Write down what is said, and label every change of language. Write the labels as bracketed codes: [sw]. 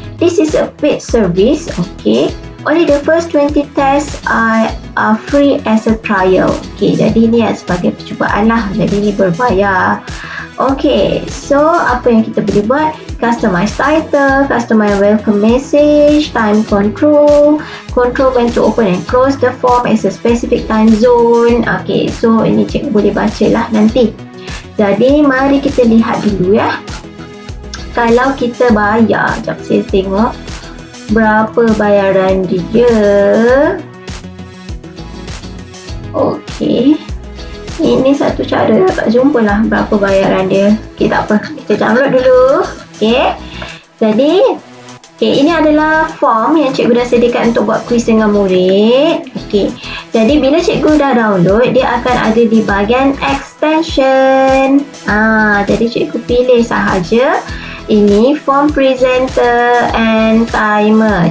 [en] This is a paid service, okay. Only the first 20 tests are free as a trial. [ms] Okay, jadi ni sebagai percubaan lah. Jadi ni berbayar. Okay, so apa yang kita boleh buat? [en] Customize title, customize welcome message, time control, control when to open and close the form as a specific time zone. [ms] Okay, so ini cikgu boleh baca lah nanti. Jadi mari kita lihat dulu ya. Kalau kita bayar, jap saya tengok berapa bayaran dia. Okey. Ini satu cara, tak jumpa lah berapa bayaran dia. Okey, tak apa. Kita download dulu. Okey. Jadi, okey, ini adalah form yang cikgu dah sediakan untuk buat kuis dengan murid. Okey. Jadi, bila cikgu dah download, dia akan ada di bahagian extension. Jadi cikgu pilih sahaja. Ini form presenter and timer.